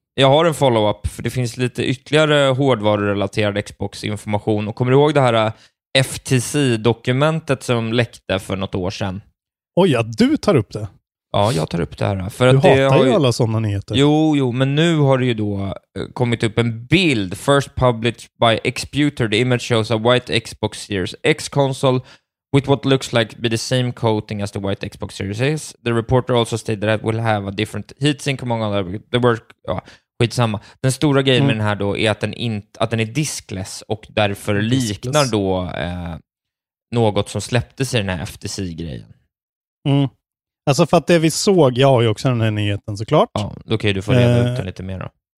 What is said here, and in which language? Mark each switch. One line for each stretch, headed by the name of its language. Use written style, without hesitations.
Swedish: Jag har en follow-up, för det finns lite ytterligare hårdvarurelaterad Xbox-information. Och kommer du ihåg det här FTC-dokumentet som läckte för något år sedan? Oj, ja, du tar upp det. Ja, jag tar upp det här. För du att det hatar ju alla sådana nyheter. Jo, men nu har det ju då kommit upp en bild.
English: First published by Xputer. The image shows a white Xbox Series X console with what looks like be the same coating as the white Xbox Series S. The reporter also stated that it will have a different heatsink among other... The work,
Swedish: ja, skitsamma. Den stora grejen med den här då är att den är diskless och därför liknar då något som släpptes i den här FTC-grejen. Mm. Alltså för att det vi såg, jag har ju också den här nyheten såklart. Ja, okej, du får reda ut den lite mer då.